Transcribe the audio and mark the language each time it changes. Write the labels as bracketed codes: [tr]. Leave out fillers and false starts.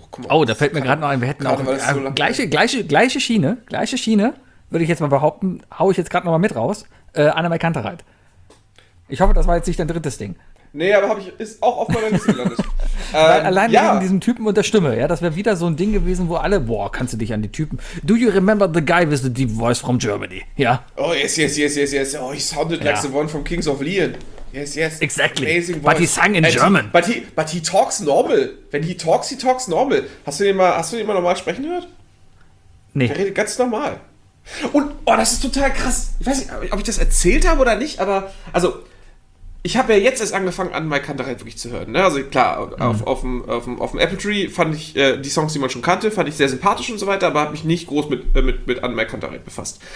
[de] Oh, da fällt mir gerade noch ein, wir hätten auch gleiche Schiene, würde ich jetzt mal behaupten, haue ich jetzt gerade noch mal mit raus. Annemarie Kantereit. Ich hoffe, das war jetzt nicht dein drittes Ding. Nee, aber ist auch auf meiner Liste gelandet. allein ja. Wegen diesem Typen und der Stimme, ja, das wäre wieder so ein Ding gewesen, wo alle, boah, kannst du dich an die Typen. [en] Do you remember the guy with the deep voice from Germany? [de] Ja. [en] Oh, yes. Oh, he sounded like the one from Kings of Leon. Yes. Exactly. Amazing voice. But he sang in German. But he talks normal. When he talks normal. [de] Hast du ihn mal normal sprechen gehört? Nee. Er redet ganz normal. Und, oh, das ist total krass. Ich weiß nicht, ob ich das erzählt habe oder nicht, aber, also. Ich habe ja jetzt erst angefangen, an Annemarie Kantereit wirklich zu hören. Ne? Also klar, auf dem Apple Tree fand ich die Songs, die man schon kannte, fand ich sehr sympathisch und so weiter, aber habe mich nicht groß mit Annemarie Kantereit befasst.